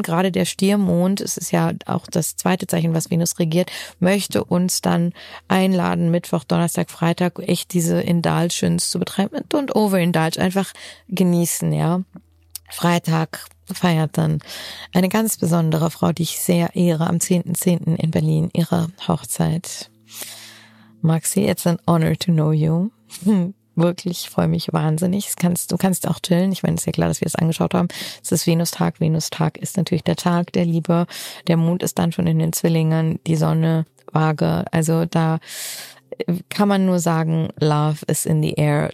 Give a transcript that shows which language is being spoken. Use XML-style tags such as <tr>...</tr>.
<de>Gerade der Stiermond, es ist ja auch das zweite Zeichen, was Venus regiert, möchte uns dann einladen, Mittwoch, Donnerstag, Freitag echt diese Indulgence zu betreiben und Overindulge einfach genießen, ja. Freitag feiert dann eine ganz besondere Frau, die ich sehr ehre, am 10.10. in Berlin ihre Hochzeit.</de> <en>Maxi, it's an honor to know you.</en> <de>Wirklich, freue mich wahnsinnig. Du kannst auch chillen. Ich meine, es ist ja klar, dass wir es angeschaut haben. Es ist Venustag. Venustag ist natürlich der Tag der Liebe. Der Mond ist dann schon in den Zwillingen. Die Sonne, Waage. Also da kann man nur sagen,</de> <en>Love is in the air.</en>